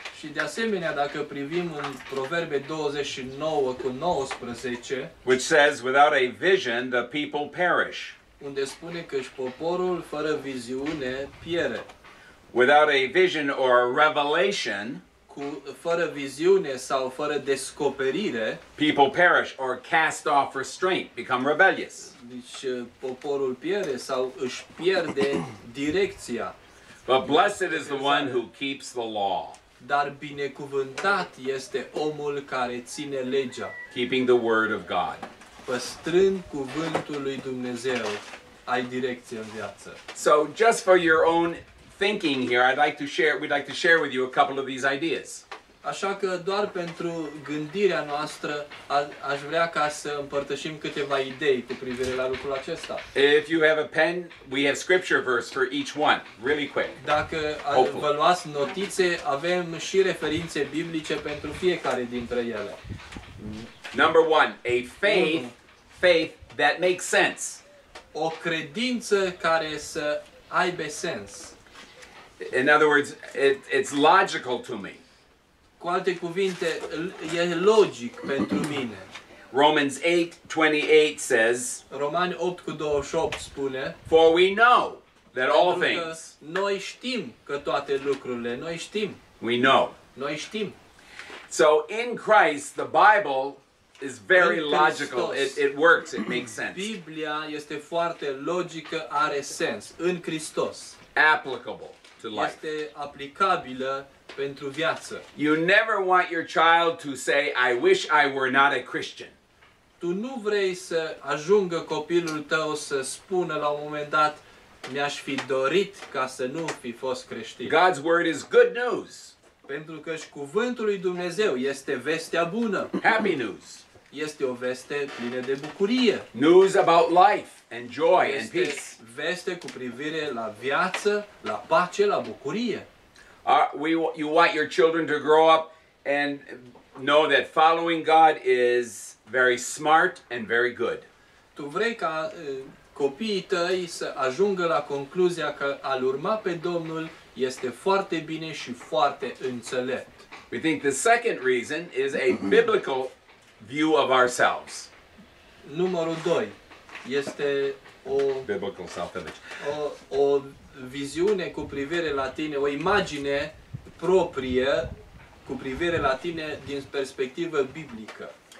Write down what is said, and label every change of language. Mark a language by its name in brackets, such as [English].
[Romanian] Și de asemenea, dacă privim în Proverbe 29:19, [English] which says without a vision the people perish. [Romanian] Unde spune că și poporul fără viziune piere. [English] Without a vision or a revelation, [Romanian] fără viziune sau fără descoperire, [English] people perish or cast off restraint, become rebellious. [Romanian] Deci poporul piere sau își pierde direcția. [English] But blessed is the one who keeps the law. [Romanian] Dar binecuvântat este omul care ține legea. [English] Keeping the word of God. [Romanian] Păstrând cuvântul lui Dumnezeu, ai direcție în viață. [English] So just for your own thinking here, we'd like to share with you a couple of these ideas. [Romanian] Așa că doar pentru gândirea noastră aș vrea ca să împărtășim câteva idei cu privire la lucrul acesta. [English] If you have a pen, we have scripture verse for each one, really quick. [Romanian] Dacă vă luați notițe, avem și referințe biblice pentru fiecare dintre ele. [English] Number one, a faith that makes sense. [Romanian] O credință care să aibă sens. [English] In other words, it's logical to me. [Romanian] Cu alte cuvinte, e logic pentru mine. [English] Romans 8:28 says, [Romanian] Romani 8:28 spune, [English] for we know that all things. [Romanian] Noi știm că toate lucrurile, noi știm. [English] We know. [Romanian] Noi știm. [English] So in Christ, the Bible is very logical. It works, it makes sense. [Romanian] Biblia este foarte logică, are sens. În Hristos. [English] Applicable. [Romanian] Este aplicabilă pentru viață. [English] You never want your child to say, I wish I were not a Christian. [Romanian] Tu nu vrei să ajungă copilul tău să spună la un moment dat, mi-aș fi dorit ca să nu fi fost creștin. [English] God's word is good news. [Romanian] Pentru că și cuvântul lui Dumnezeu este vestea bună. [English] Happy news. [Romanian] Este o veste plină de bucurie. [English] News about life and joy and peace. [Romanian] Veste cu privire la viață, la pace, la bucurie. [English] You want your children to grow up and know that following God is very smart and very good. [Romanian] Tu vrei ca copiii tăi să ajungă la concluzia că a-L urma pe Domnul este foarte bine și foarte înțelept. [English] We think the second reason is a biblical view of ourselves. [Romanian] Numărul 2 este o [English] biblical self-image. [Romanian] O viziune cu privire la tine, o imagine proprie cu privire la tine din perspectivă biblică.